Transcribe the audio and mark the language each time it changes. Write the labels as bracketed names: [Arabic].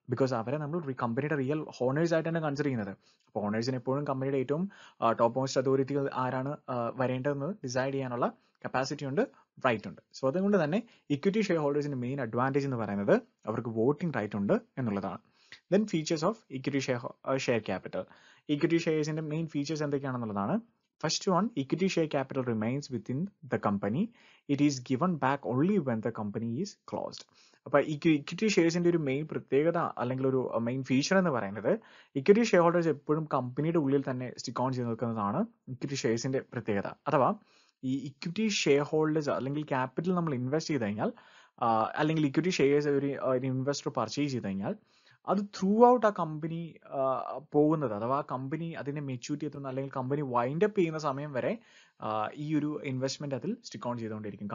[Malayalam] Because അവരെ നമ്മൾ കമ്പനിയുടെ റിയൽ ഹോണേഴ്സ് ആയിട്ടാണ് കൺസിഡർ ചെയ്യുന്നത്. അപ്പോൾ ഹോണേഴ്സിന് എപ്പോഴും കമ്പനിയുടെ ഏറ്റവും ടോപ്പ് മോസ്റ്റ് അതോറിറ്റികൾ ആരാണ് വരേണ്ടതെന്ന് ഡിസൈഡ് ചെയ്യാനുള്ള കപ്പാസിറ്റി ഉണ്ട്, റൈറ്റ് ഉണ്ട്. സോ അതുകൊണ്ട് തന്നെ ഇക്വിറ്റി ഷെയർ ഹോൾഡേഴ്സിൻ്റെ മെയിൻ അഡ്വാൻറ്റേജ് എന്ന് പറയുന്നത് അവർക്ക് വോട്ടിംഗ് റൈറ്റ് ഉണ്ട് എന്നുള്ളതാണ്. [English] Then features of equity share capital. [Malayalam] Equity ഷെയർസിൻ്റെ main features എന്തൊക്കെയാണെന്നുള്ളതാണ്. [English] First one, equity share capital remains within the company. It is given back only when the company is closed. [Malayalam] അപ്പോൾ equity ഷെയർസിൻ്റെ ഒരു main പ്രത്യേകത അല്ലെങ്കിൽ ഒരു main feature എന്ന് പറയുന്നത് equity share holders എപ്പോഴും കമ്പനിയുടെ ഉള്ളിൽ തന്നെ സ്റ്റിക്ക് ഓൺ ചെയ്ത് നിൽക്കുന്നതാണ് ഇക്വിറ്റി ഷെയർസിൻ്റെ പ്രത്യേകത. അഥവാ ഈ ഇക്വിറ്റി ഷെയർ ഹോൾഡേഴ്സ് അല്ലെങ്കിൽ ക്യാപിറ്റൽ നമ്മൾ ഇൻവെസ്റ്റ് ചെയ്ത് കഴിഞ്ഞാൽ അല്ലെങ്കിൽ ഇക്വിറ്റി ഷെയർസ് ഒരു ഇൻവെസ്റ്റർ പർച്ചേസ് ചെയ്ത് കഴിഞ്ഞാൽ അത് ത്രൂ ഔട്ട് ആ കമ്പനി പോകുന്നത് അഥവാ ആ കമ്പനി അതിൻ്റെ മെച്യൂരിറ്റി എത്തുന്ന അല്ലെങ്കിൽ കമ്പനി വൈൻഡപ്പ് ചെയ്യുന്ന സമയം വരെ ഈ ഒരു ഇൻവെസ്റ്റ്മെൻ്റ് അതിൽ സ്റ്റിക്ക് ഓൺ ചെയ്തുകൊണ്ടിരിക്കും.